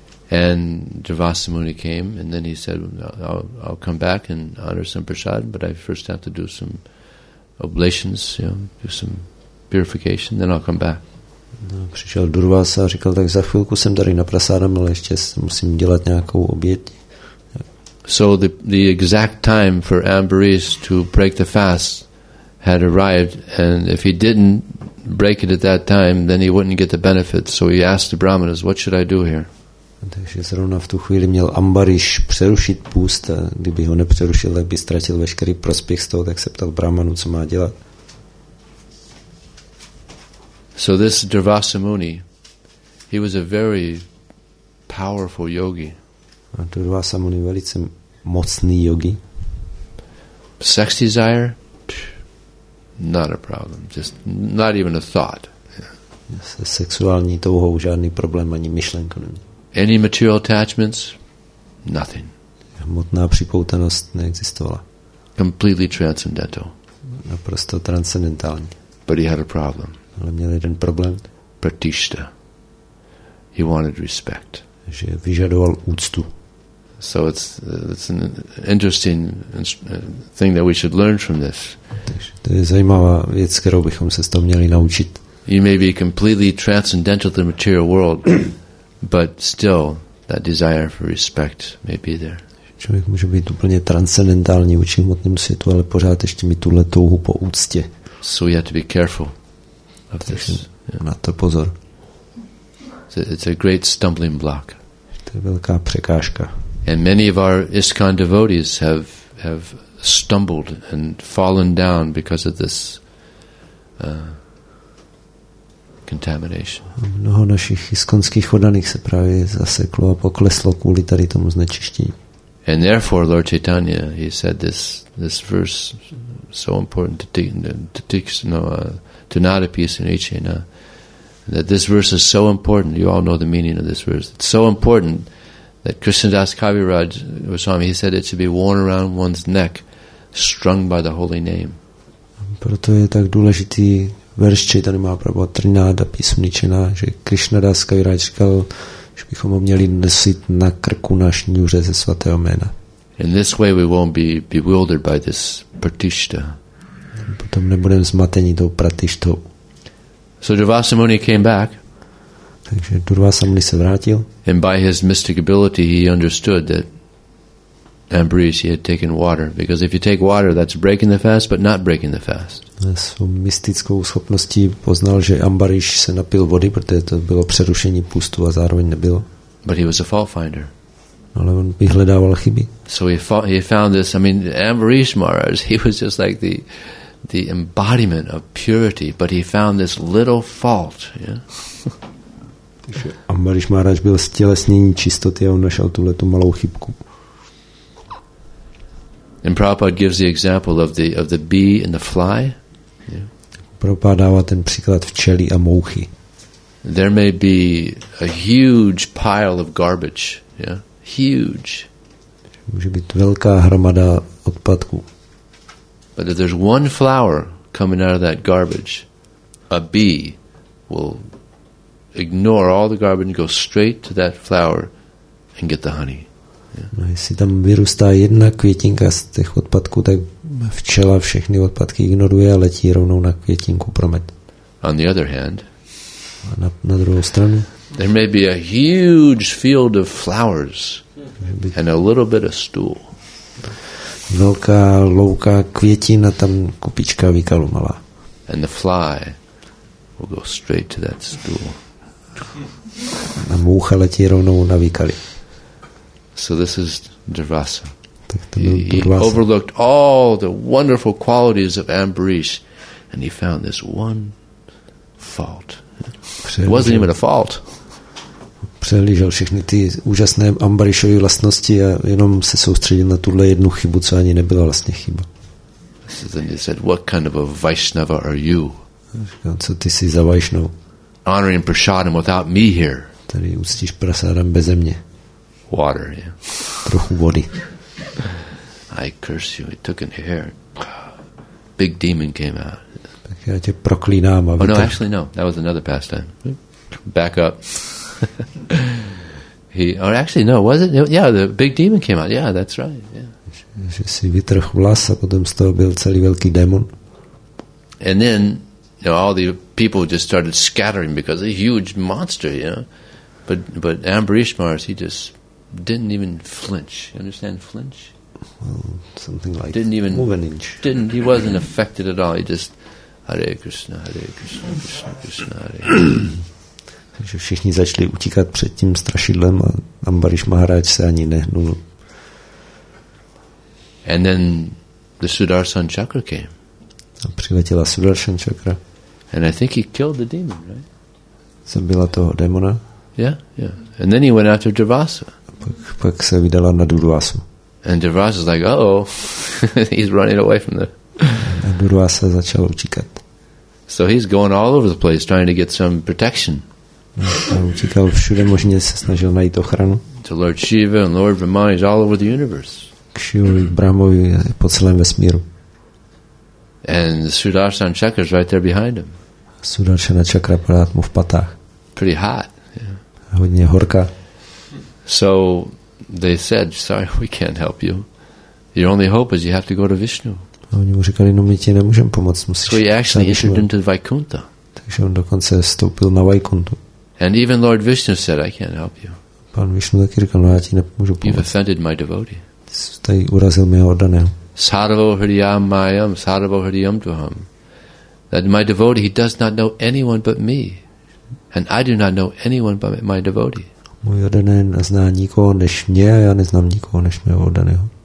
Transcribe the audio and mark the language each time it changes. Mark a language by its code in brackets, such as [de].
[en] And Durvasa Muni came, and then he said, I'll come back and honor some prasad, but I first have to do some oblations, you know, do some purification, then I'll come back. [cs] No, přišel Durvasa a říkal, tak za chvilku jsem tady na prasádem, ale ještě musím dělat nějakou oběť. [en] So the exact time for Ambarish to break the fast had arrived, and if he didn't break it at that time, then he wouldn't get the benefit. So he asked the brahmanas, "What should I do here?" [cs] Takže zrovna v tu chvíli měl Ambarish přerušit půst, a kdyby ho nepřerušil, tak by ztratil veškerý prospěch z toho, tak se ptal brahmanů, co má dělat. [en] So this Durvasa Muni, he was a very powerful yogi. [cs] A Durvasa Muni velice mocný yogi. [en] Sex desire? Not a problem. Just not even a thought. Yeah. [cs] Se sexuální touhou žádný problém ani myšlenka není. [en] Any material attachments? Nothing. [cs] Hmotná připoutanost neexistovala. [en] Completely transcendental. [cs] Naprosto transcendentální. [en] But he had a problem. [cs] Ale měl jeden problém. [en] Pratishta. He wanted respect. [cs] Že vyžadoval úctu. [en] So it's an interesting thing that we should learn from this. [cs] To je zajímavá věc, kterou bychom se z toho měli naučit. [en] You may be completely transcendental to the material world, but still that desire for respect may be there. [cs] Člověk může být úplně transcendentální v hmotném světu, ale pořád ještě mít tuhle touhu po úctě. [en] So you have to be careful. [cs] Na to pozor. [en] It's a great stumbling block. [cs] To je velká překážka. [en] And many of our ISKCON devotees have stumbled and fallen down because of this contamination. [cs] Mnoho našich iskonských oddaných se právě zaseklo a pokleslo kvůli tady tomu znečištění. [en] And therefore, Lord Chaitanya, he said this verse so important to not appease in Echena, that this verse is so important. You all know the meaning of this verse. It's so important that Krishnadas Kaviraj Goswami, he said it should be worn around one's neck, strung by the holy name. [cs] Proto je tak důležitý verš Chaitanya Mahaprabhu Trinada písmničena, že Krishnadas Kaviraj říkal, že bychom ho měli nosit na krku na šňůře ze svatého jména. [en] In this way we won't be bewildered by this pratishta. [cs] Potom nebudeme zmateni tou pratishtou. [en] So Durvasa Muni came back. [cs] Takže Durvasa Muni se vrátil. [en] And by his mystic ability he understood that Ambrish, he had taken water, because if you take water, that's breaking the fast, but not breaking the fast. [cs] Svou mystickou schopností poznal, že Ambrish se napil vody, protože to bylo přerušení půstu a zároveň nebylo. [en] But he was a fault finder. [cs] Ale on vyhledával chyby. [en] So he found this. I mean, Ambrish Maharaj, he was just like the embodiment of purity, but he found this little fault. Yeah. [cs] Ambrish Maharaj byl stělesnění čistoty a on našel tuhle tu malou chybku. [en] And Prabhupada gives the example of the bee and the fly. Yeah. [cs] Prabhupada dává ten příklad včely a mouchy. [en] There may be a huge pile of garbage. Yeah, huge. [cs] Může být velká hromada odpadků. [en] But if there's one flower coming out of that garbage, a bee will ignore all the garbage and go straight to that flower and get the honey. [cs] No, jestli tam vyrůstá jedna květinka z těch odpadků, tak včela všechny odpadky ignoruje a letí rovnou na květinku pro med. [en] On the other hand, [cs] a na druhou stranu, [en] there may be a huge field of flowers and a little bit of stool. [cs] Velká louka květin a tam kupička výkalu malá. [en] And the fly will go straight to that stool. [cs] A moucha letí rovnou na výkaly. [en] So this is Durvasa. He overlooked all the wonderful qualities of Ambrish and he found this one fault. It wasn't even a fault. [cs] Přehlížel všechny ty úžasné Ambrishovy vlastnosti a jenom se soustředil na tuhle jednu chybu, co ani nebyla vlastně chyba. [en] So then he said, what kind of a Vaishnava are you? [cs] Co ty jsi za Vaishnava? [en] Honoring Prasadam without me here. [cs] Tady uctíš Prasadam beze mě. [en] Water, yeah. [cs] Trochu vody. [en] I curse you. It took in hair. Big demon came out. [cs] Tak já tě proklínám. [en] Oh, no, actually, no. That was another pastime. Back up. the big demon came out. Yeah, that's right. Yeah. [cs] Že si vytrh vlas a potom z toho byl celý velký démon. [en] And then, you know, all the people just started scattering because a huge monster, you know. But Ambrish Mars, he just didn't even flinch. You understand flinch? Well, something like didn't even move an inch. Didn't he wasn't affected at all. He just Hare Krishna, Hare Krishna, Krishna Krishna, Hare. [cs] Takže všichni začali utíkat před tím strašidlem a Ambarish Maharaj se ani nehnul. [en] And then the Sudarshan Chakra came. [cs] A přiletěla Sudarshan Chakra. [en] And I think he killed the demon, right? [cs] Zabila toho demona. [en] Yeah. And then he went after Durvasa. [cs] Pak se vydala na Durvasu. [en] And Durvasa is like, oh, he's running away from there. [cs] A Durvasa začal utíkat. [en] So he's going all over the place trying to get some protection. [cs] A utíkal všude možně, se snažil najít ochranu. [en] To Lord Shiva and Lord Brahma, he's all over the universe. [cs] K Shivovi, Brahmovi, po celém vesmíru. [en] And Sudarshan Chakra is right there behind him. [cs] Sudarshana Chakra pořád mu v patách. [en] Pretty hot. Yeah. [cs] A hodně horká. [en] So they said, sorry, we can't help you. Your only hope is you have to go to Vishnu. [cs] A oni mu říkali, no my ti nemůžeme pomoct, musíš. [en] So he actually entered into Vaikuntha. [cs] Takže on dokonce vstoupil na Vaikuntu. [en] And even Lord Vishnu said, I can't help you. [cs] Pan Vishnu taky říkal, no já ti nemůžu pomoct. [en] You've offended my devotee. [cs] tady urazil mého oddaného. [sa] Sarva hriyam mayam, sarva hriyam duham. [en] That my devotee, he does not know anyone but me. And I do not know anyone but my devotee. [cs] Můj oddaný nezná nikoho než mě a já neznám nikoho než mého oddaného.